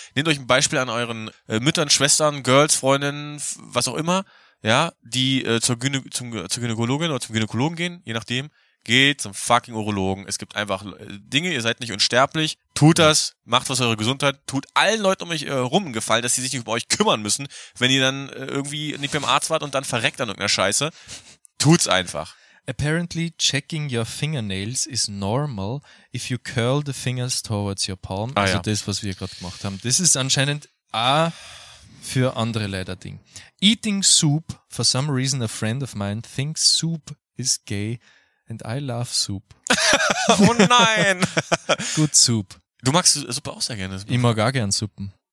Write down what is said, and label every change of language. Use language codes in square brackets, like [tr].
[de] Nehmt euch ein Beispiel an euren Müttern, Schwestern, Girls, Freundinnen, was auch immer, ja, die zur Gynäkologin oder zum Gynäkologen gehen, je nachdem. Geht zum fucking Urologen. Es gibt einfach Dinge, ihr seid nicht unsterblich. Tut das, macht was für eure Gesundheit. Tut allen Leuten um euch herum einen Gefallen, dass sie sich nicht um euch kümmern müssen, wenn ihr dann irgendwie nicht beim Arzt wart und dann verreckt an irgendeiner Scheiße. Tut's einfach. [en] Apparently checking your fingernails is normal if you curl the fingers towards your palm. Ah, [de] also ja. Das, was wir gerade gemacht haben. Das ist anscheinend auch für andere leider Ding. [en] Eating soup, for some reason a friend of mine thinks soup is gay. And I love soup. [de] Oh nein! [en] Good soup. [de] Du magst Suppe auch sehr gerne. Ich mag gar gern Suppen.